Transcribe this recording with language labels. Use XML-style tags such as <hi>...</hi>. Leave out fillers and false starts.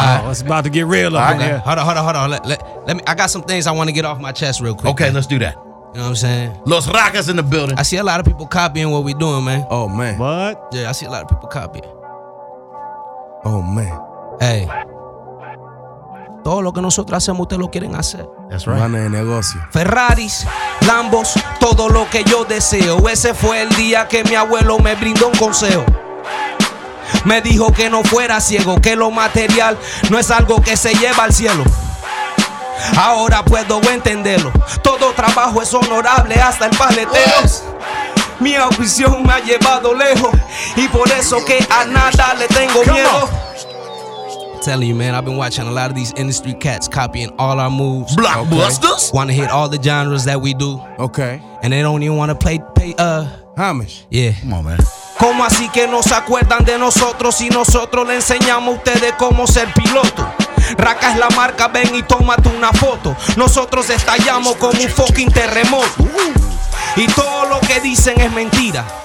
<en>It's about to get real up in here. Hold on. Let me. I got some things I wanna get off my chest real quick. Okay, man. Let's do that. You know what I'm saying? Los Racas in the building. I see a lot of people copying what we doing, man. Oh, man. What? Yeah, I see a lot of people copying. Oh, man. Hey.</en> <es>Todo lo que nosotros hacemos, ustedes lo quieren hacer.</es> <en>That's right.</en> <es>Mane de negocio. Ferraris, Lambos, todo lo que yo deseo. Ese fue el día que mi abuelo me brindó un consejo. Me dijo que no fuera ciego, que lo material no es algo que se lleva al cielo. Ahora puedo entenderlo. Todo trabajo es honorable, hasta el paletero. Mi audición me ha llevado lejos, y por eso que a nada le tengo miedo.</es> <en>Telling you, man, I've been watching a lot of these industry cats copying all our moves. Blockbusters? Okay. Wanna hit all the genres that we do. Okay. And they don't even wanna pay homage. Yeah. Come on, man.</en> <es>¿Cómo así que no se acuerdan de nosotros si nosotros le enseñamos a ustedes cómo ser piloto? Raca es la marca, ven y tómate una foto. Nosotros estallamos como un fucking terremoto. Y todo lo que dicen es mentira.</es>